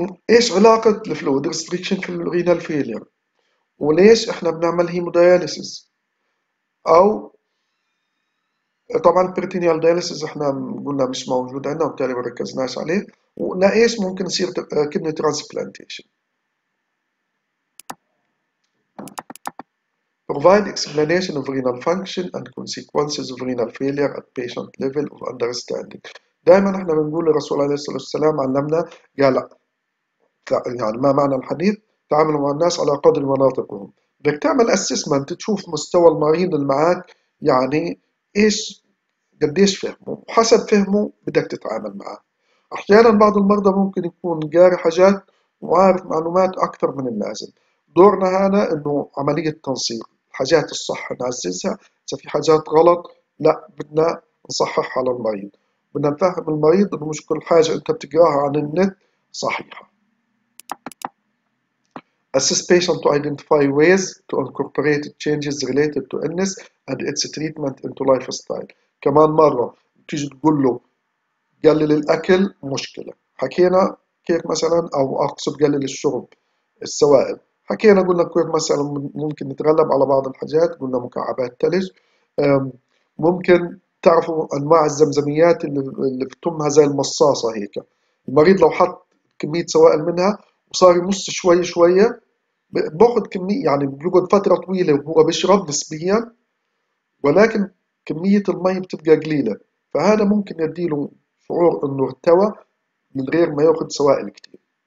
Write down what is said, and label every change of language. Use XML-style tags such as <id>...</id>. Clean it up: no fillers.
<ar>ايش علاقة الفلويد ريستريكشن في الرينال فيلير؟ وليش احنا بنعمل هيموداياليسيز؟ او طبعا البريتينيال دياليسيز احنا قلنا مش موجود عندنا وبالتالي ما ركزناش عليه، وقلنا ايش ممكن يصير كبني ترانسبلانتيشن.</ar> <en>Provide explanation of renal function and consequences of renal failure at patient level of understanding.</en> <ar>دائما احنا بنقول الرسول عليه الصلاة والسلام علمنا، قال يعني ما معنى الحديث، تعاملوا مع الناس على قدر مناطقهم. بدك تعمل اسسمنت تشوف مستوى المريض اللي معك، يعني ايش قديش فهمه، وحسب فهمه بدك تتعامل معه. احيانا بعض المرضى ممكن يكون قاري حاجات وعارف معلومات اكثر من اللازم. دورنا هنا انه عمليه تنسيق الحاجات الصح نعززها، اذا في حاجات غلط لا بدنا نصححها للمريض. بدنا نفهم المريض انه مش كل حاجه انت بتقراها عن النت صحيحه.</ar> <en>Assist patient to identify ways to incorporate changes related to illness and its treatment into lifestyle.</en> <ar>كمان مرة تيجي تقول له قلل الأكل مشكلة، حكينا كيف مثلا، أو أقصد قلل الشرب السوائل، حكينا قلنا كيف مثلا ممكن نتغلب على بعض الحاجات، قلنا مكعبات ثلج، ممكن تعرفوا أنواع الزمزميات اللي بتمها زي المصاصة هيك، المريض لو حط كمية سوائل منها وصار يمص شوي شوي، باخذ كمية يعني بيقعد فترة طويلة وهو بيشرب نسبيا، ولكن كمية المي بتبقى قليلة، فهذا ممكن يديله شعور انه ارتوى من غير ما ياخذ سوائل كتير.</ar>